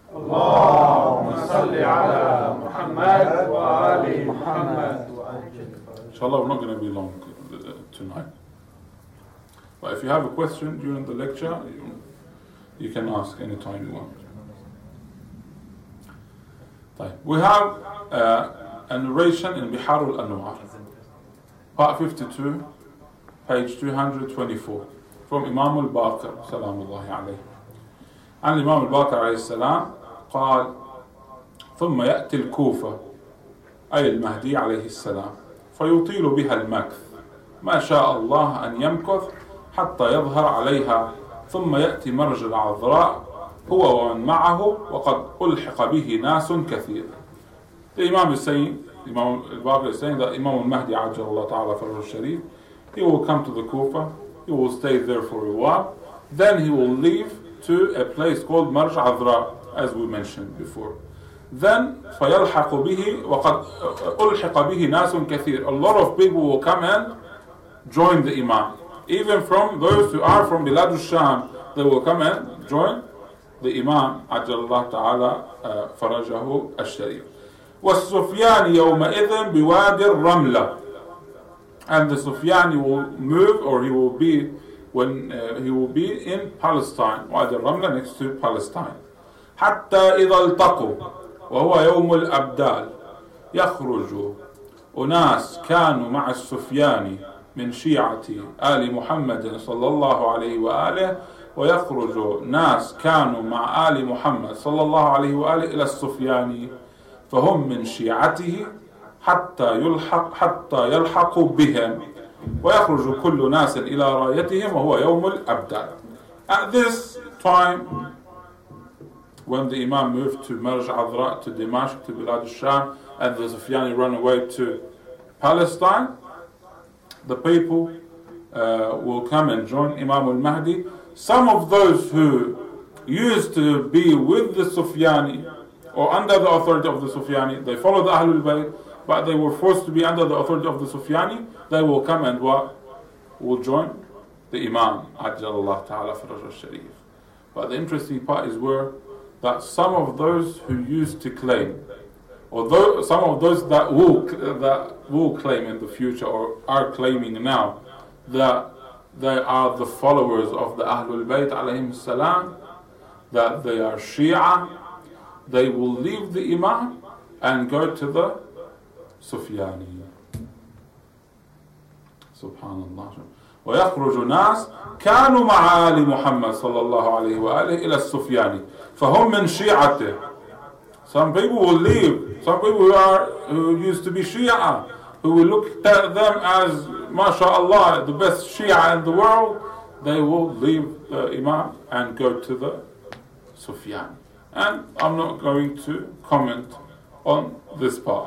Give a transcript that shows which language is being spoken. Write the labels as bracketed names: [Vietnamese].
[Arabic] اللهم صل على محمد وعلى محمد. [English] إن شاء الله we're not going to be long tonight. But if you have a question during the lecture, you can ask any time you want. We have a narration in Bihar al-Anwar, part 52, page 224, from Imam al-Baqir, salam allahi alayhi. And Imam al-Baqir alayhi salam, [Arabic] قال, ثم يأتي الكوفة, أي المهدي عليه السلام, فيطيل بها المكث, ما شاء الله أن يمكث حتى يظهر عليها, ثم يأتي مرج العذراء, هو ومن معه, وقد ألحق به ناس كثير. [English] The Imam is saying, Imam al-Baqir is saying that Imam al-Mahdi, ajallahu ta'ala farajahu al-sharif, he will come to the Kufa, he will stay there for a while, then he will leave to a place called Marj Adra, as we mentioned before. [Arabic] Then, فيلحق به وقد ألحق به ناس كثير. [English] A lot of people will come and join the Imam. Even from those who are from Bilad al-Sham, they will come and join the Imam, ajallahu ta'ala farajahu al-sharif. [Arabic] وَالسُّفْيَانِ يَوْمَئِذٍ بِوَادِ الرَّمْلَةِ. [English] And the Sufyani will move, or he will be, when he will be in Palestine, Wadi al-Ramla, next to Palestine. [Arabic] حَتَّى إِذَا الْتَقُوا وَهُوَ يَوْمُ الْأَبْدَالِ يَخْرُجُوا أُنَاسْ كَانُوا مَعَ السُّفْيَانِ من شيعة آل محمد صلى الله عليه وآله, ويخرج ناس كانوا مع آل محمد صلى الله عليه وآله إلى السفياني, فهم من شيعته حتى يلحق, حتى يلحق بهم, ويخرج كل ناس إلى رايتهم, وهو يوم الأبدال. [English] At this time, when the Imam moved to Marj Adra, to Dimashq, to Bilad al-Sham, and the Sufyani ran away to Palestine, the people will come and join Imam al-Mahdi. Some of those who used to be with the Sufyani or under the authority of the Sufyani, they followed the Ahlul Bayt, but they were forced to be under the authority of the Sufyani, they will come and what? Will join the Imam, ajallahu ta'ala faraj al-sharif. But the interesting part is where that some of those who used to claim, although some of those that will claim in the future or are claiming now that they are the followers of the Ahlul Bayt alayhim salam, that they are Shia, they will leave the Imam and go to the Sufyani. Subhanallah. [Arabic] ويخرج ناس كانوا مع آل محمد صلى الله عليه وآله إلى السفياني فهم من شيعته. [English] Some people will leave, some people who used to be Shia, who will look at them as mashallah the best Shia in the world, they will leave the Imam and go to the Sufyan. And I'm not going to comment on this part.